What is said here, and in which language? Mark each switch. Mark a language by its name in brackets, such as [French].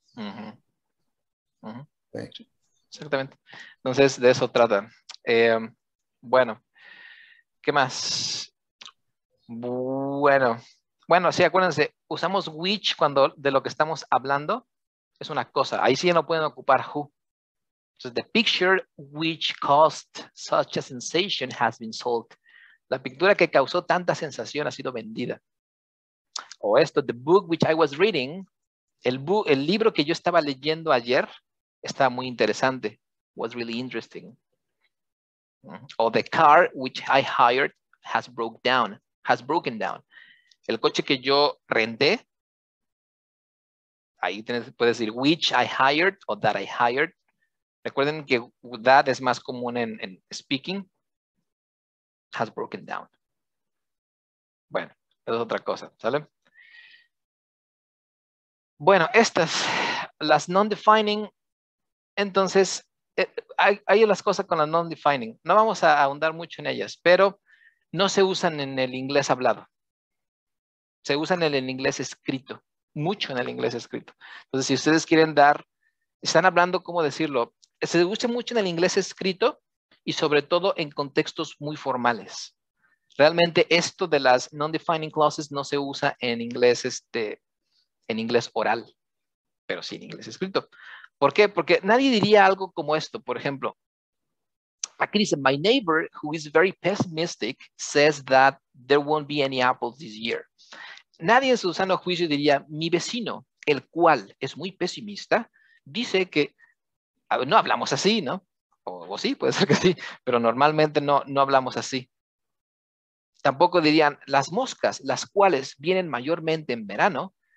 [Spanish] Uh-huh. Uh-huh. Okay. Exactamente. Entonces, de eso trata. Bueno, ¿qué más? Bueno, sí, acuérdense, usamos which cuando de lo que estamos hablando es una cosa. Ahí sí ya no pueden ocupar who. [English] Entonces, the picture which caused such a sensation has been sold. [Spanish] La pintura que causó tanta sensación ha sido vendida. O esto, [English] the book which I was reading, [Spanish] el libro que yo estaba leyendo ayer estaba muy interesante. [English] Was really interesting. O the car which I hired has broken down. [Spanish] El coche que yo renté, ahí puedes decir which I hired o that I hired. Recuerden que that es más común en speaking. [English] Has broken down. [Spanish] Bueno, eso es otra cosa, ¿sale? Bueno, estas, las non-defining, entonces, hay las cosas con la non-defining. No vamos a ahondar mucho en ellas, pero no se usan en el inglés hablado. Se usan en el inglés escrito, mucho en el inglés escrito. Entonces, si ustedes quieren dar, están hablando, ¿cómo decirlo? Se usa mucho en el inglés escrito y sobre todo en contextos muy formales. Realmente esto de las non-defining clauses no se usa en inglés, en inglés oral, pero sí en inglés escrito. ¿Por qué? Porque nadie diría algo como esto. Por ejemplo, aquí dice, [English] my neighbor, who is very pessimistic, says that there won't be any apples this year. [Spanish] Nadie en su sano juicio diría, mi vecino, el cual es muy pesimista, dice que, no hablamos así, ¿no? O sí, puede ser que sí, pero normalmente no hablamos así. Tampoco dirían, las moscas, las cuales vienen mayormente en verano,